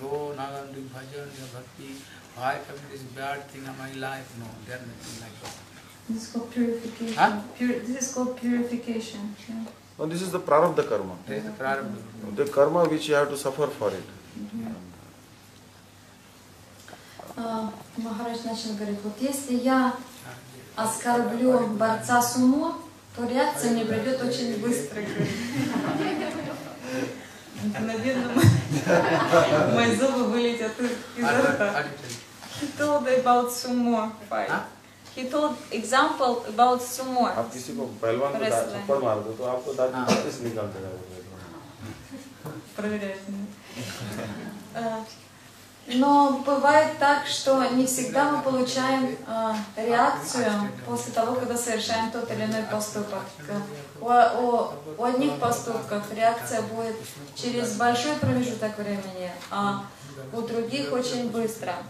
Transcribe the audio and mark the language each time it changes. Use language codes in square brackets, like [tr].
[en] Oh, now I am doing bhajan, I am bhakti, why come this bad thing in my life? No, they are nothing like that. This is called purification. Huh? This is called purification. Yeah. And this is the prarabdha karma. This is the prarabdha karma. The karma which you have to suffer for it. Mm-hmm. [ru] Махарадж начал говорить, вот если я оскорблю борца с умом, то реакция мне придет очень быстро. Наверное, мои зубы вылетят из рта. [en] He told about sumo fight. He told example about sumo. [hi] आप किसी को पहलवान को चप्पल मार दो तो आपको दांत निकलते जाएगा. [ru] Но бывает так, что не всегда мы получаем реакцию после того, когда совершаем тот или иной поступок. У одних поступков реакция будет через большой промежуток времени, а у других очень быстро.